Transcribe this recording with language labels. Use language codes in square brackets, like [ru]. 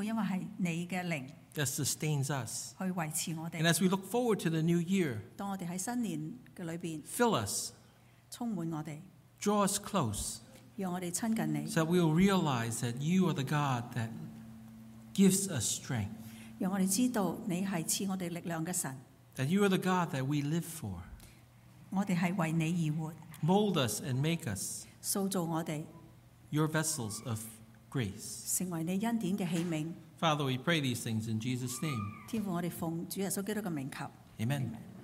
[zh] 天父，因为是你的灵, [en] that sustains us. [zh] 去维持我们。 [en] And as we look forward to the new year, [zh] 当我们在新年里面, [en] fill us, [zh] 充满我们, [en] draw us close, [zh] 让我们亲近你, [en] so that we will realize that you are the God that gives us strength. [zh] 让我们知道你是赐我们力量的神, [en] that you are the God that we live for. Mold us and make us your vessels of grace. Father, we pray these things in Jesus' name. Amen. Amen.